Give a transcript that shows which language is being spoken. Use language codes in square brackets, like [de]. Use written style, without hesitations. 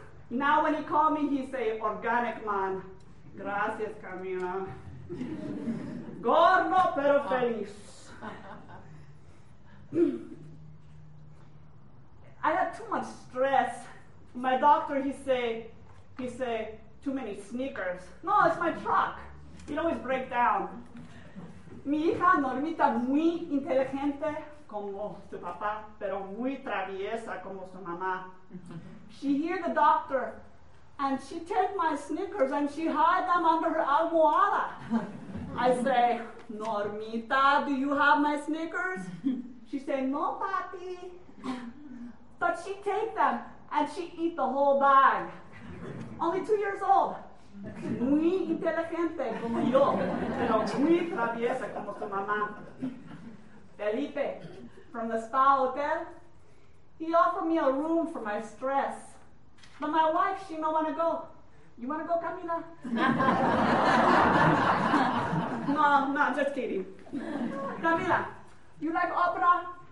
[en] Now when he called me, he say, organic man. [es] Gracias, Camila. Gordo, pero feliz. [en] I had too much stress. My doctor, he say, too many sneakers. No, it's my truck. It always breaks down. [es] Mi hija Normita muy inteligente como su papá, pero muy traviesa como su mamá. [en] She hear the doctor, and she take my sneakers and she hide them under her almohada. I say, Normita, do you have my sneakers? She say, no, papi. But she take them and she eat the whole bag. Only 2 years old. [es] Muy inteligente como yo, pero muy traviesa como su mamá. [en] Felipe, from the spa hotel, he offered me a room for my stress. But my wife, she don't want to go. You want to go, Camila? No, just kidding. Camila, you like opera?